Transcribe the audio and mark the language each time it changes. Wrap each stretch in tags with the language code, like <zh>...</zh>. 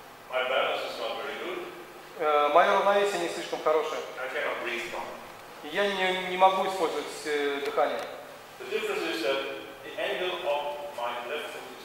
<en>my balance is not very good.</en> <ru>Мое равновесие не слишком хорошее.</ru> <en>I cannot breathe from.</en> <ru>Я не могу использовать дыхание.</ru> <en>The difference is that the angle of my left foot.</en>